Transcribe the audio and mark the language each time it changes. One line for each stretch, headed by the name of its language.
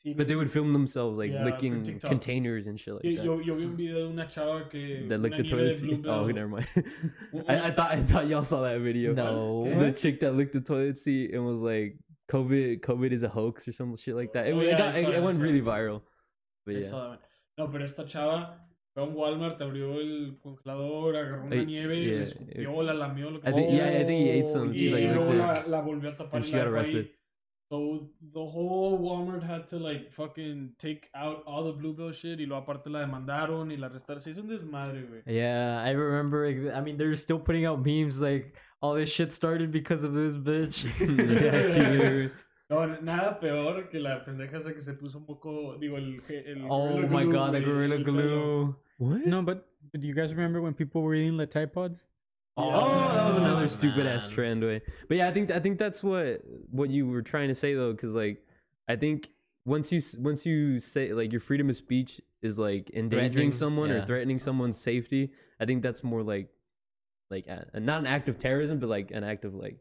English: But they would film themselves like licking containers and shit like that.
Spanish: Yo vi un video de una chava que.
English: That licked the toilet seat. Oh, never mind. I thought y'all saw that video. No. The chick that licked the toilet seat and was like COVID is a hoax or some shit like that. It went really viral. But yeah.
Spanish: No, pero esta chava fue a un Walmart, abrió el congelador, agarró una nieve, escupió, la lamió.
English: I think he ate some.
Spanish: Y luego la volvió a tapar.
English: She got arrested. So the whole Walmart had to like fucking take out all the Bluebell shit.
Spanish: Y lo aparte la demandaron y la arrestaron. Se hizo un desmadre, güey.
English: Yeah, I remember. I mean, they're still putting out memes like, all this shit started because of this bitch.
Spanish: No, nada peor que la pendeja esa que se puso un poco, digo, el
English: oh my god, the gorilla glue. What? No, but do you guys remember when people were eating the Tide Pods? Oh, that was another stupid ass trend, way. But yeah, I think that's what you were trying to say though, because like I think once you say like your freedom of speech is like endangering someone or threatening someone's safety, I think that's more like not an act of terrorism, but like an act of like